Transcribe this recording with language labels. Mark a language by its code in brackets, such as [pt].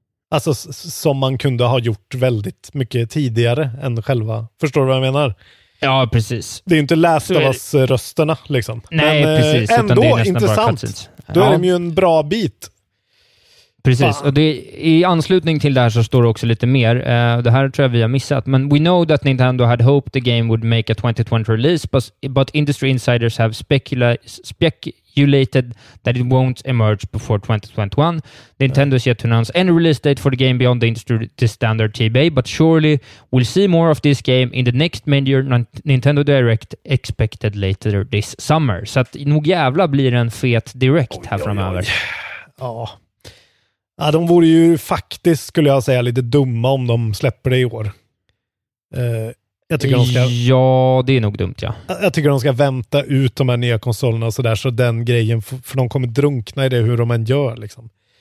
[sv] Alltså som man kunde ha gjort väldigt mycket tidigare än själva. Förstår du vad jag menar? Ja, precis. Det är ju inte Last of Us rösterna liksom. Nej, men, precis. Men ändå det är intressant. Då är de ju en bra bit. Precis. Och det, i anslutning till det här så står det också lite mer. Det här tror jag vi har missat. [en] Men we know that Nintendo had hoped the game would make a 2020 release, but industry insiders have speculated that it won't emerge before 2021. Nintendo's yet to announce any release date for the game beyond the industry the standard TBA, but surely we'll see more of this game in the next major Nintendo Direct expected later this summer. [sv] Så att nog jävla blir det en fet direct här framöver. Ja. Ja, de vore ju faktiskt, skulle jag säga, lite dumma om de släpper det i år. Jag tycker de ska... Ja, det är nog dumt, ja. Jag tycker de ska vänta ut de här nya konsolerna och sådär, så den grejen, för de kommer drunkna i det hur de än gör, liksom.